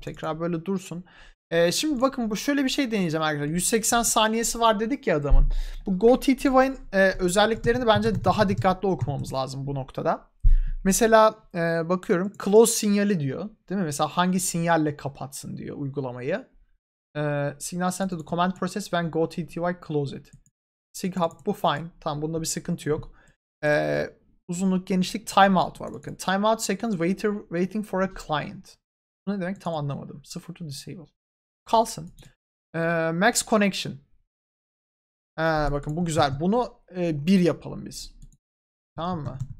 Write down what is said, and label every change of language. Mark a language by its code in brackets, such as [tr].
[tr] Tekrar böyle dursun. Şimdi bakın bu şöyle bir şey deneyeceğim arkadaşlar. 180 saniyesi var dedik ya adamın. Bu GoTTY'nin özelliklerini bence daha dikkatli okumamız lazım bu noktada. Mesela bakıyorum. Close sinyali diyor. Değil mi? Mesela hangi sinyalle kapatsın diyor uygulamayı. [en] Signal sent to the command process when GoTTY close it. [tr] SIGHUB bu fine. Tamam bunda bir sıkıntı yok. Uzunluk, genişlik, timeout var bakın. [en] Timeout seconds waiting for a client. [tr] Bu ne demek? Tam anlamadım. Sıfır [en] to disable. [tr] Kalsın. [en] Max connection. [tr] Bakın bu güzel. Bunu bir yapalım biz. Tamam mı?